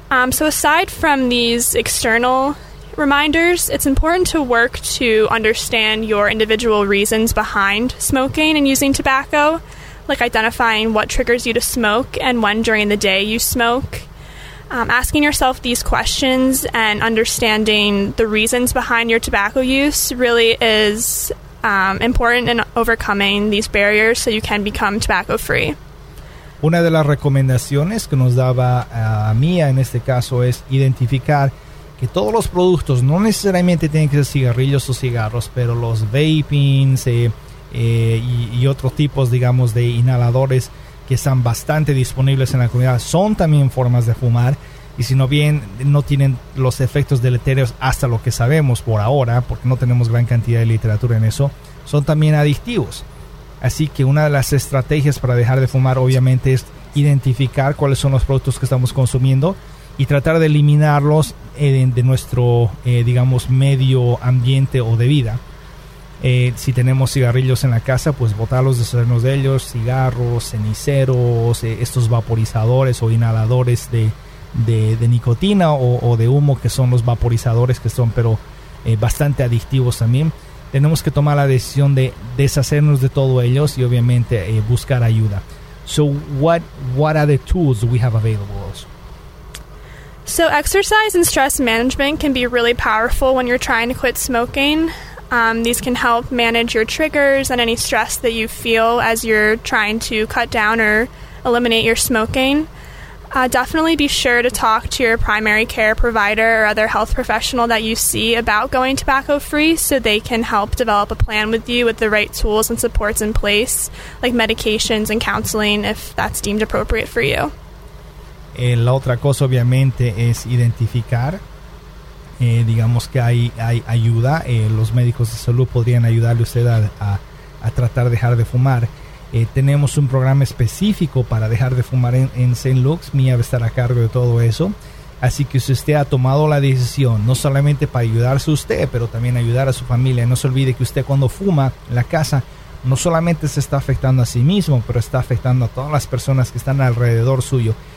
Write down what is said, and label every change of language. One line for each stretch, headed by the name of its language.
English: So aside from these external reminders, it's important to work to understand your individual reasons behind smoking and using tobacco, like identifying what triggers you to smoke and when during the day you smoke. Asking yourself these questions and understanding the reasons behind your tobacco use really is important in overcoming these barriers so you can become tobacco free.
Spanish: Una de las recomendaciones que nos daba Mia en este caso es identificar que todos los productos, no necesariamente tienen que ser cigarrillos o cigarros, pero los vapings y otros tipos, digamos, de inhaladores que están bastante disponibles en la comunidad, son también formas de fumar, y si no bien no tienen los efectos deletéreos hasta lo que sabemos por ahora, porque no tenemos gran cantidad de literatura en eso, son también adictivos. Así que una de las estrategias para dejar de fumar obviamente es identificar cuáles son los productos que estamos consumiendo y tratar de eliminarlos de nuestro, digamos, medio ambiente o de vida. Si tenemos cigarrillos en la casa, pues botarlos, deshacernos de ellos, cigarros, ceniceros, estos vaporizadores o inhaladores de nicotina o de humo, que son los vaporizadores, que son bastante adictivos también. Tenemos que tomar la decisión de deshacernos de todos ellos y obviamente buscar ayuda.
English: So what are the tools we have available also? So exercise and stress management can be really powerful when you're trying to quit smoking. These can help manage your triggers and any stress that you feel as you're trying to cut down or eliminate your smoking. Definitely be sure to talk to your primary care provider or other health professional that you see about going tobacco-free so they can help develop a plan with you with the right tools and supports in place, like medications and counseling if that's deemed appropriate for you.
Spanish: La otra cosa obviamente es identificar, digamos que hay ayuda, los médicos de salud podrían ayudarle a usted a tratar de dejar de fumar. Tenemos un programa específico para dejar de fumar en St. Luke's, Mia va a estar a cargo de todo eso. Así que si usted ha tomado la decisión, no solamente para ayudarse a usted, pero también ayudar a su familia, no se olvide que usted cuando fuma en la casa, no solamente se está afectando a sí mismo, pero está afectando a todas las personas que están alrededor suyo.